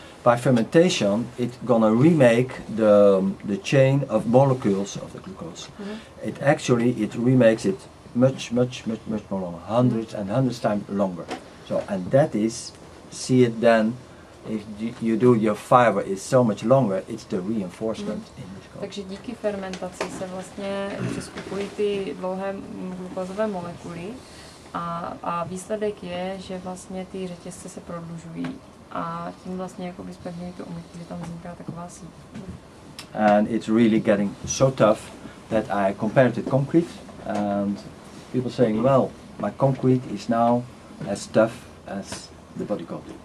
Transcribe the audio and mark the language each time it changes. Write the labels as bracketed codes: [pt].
[en] By fermentation it gonna remake the chain of molecules of the glucose. Mm-hmm. It remakes it much more longer, hundreds and hundreds times longer. So and that is see it then if you do your fiber is so much longer, it's the reinforcement in the. [cs] Takže díky fermentaci se vlastně přeskupují ty dlouhé glukózové molekuly a výsledek je, že vlastně ty řetězce se prodlužují a tím vlastně jakoby zpevňují tu omítku, že tam vzniká taková síť. [en] And it's really getting so tough that I compared it concrete and people saying, well, my concrete is now as tough as the body cold.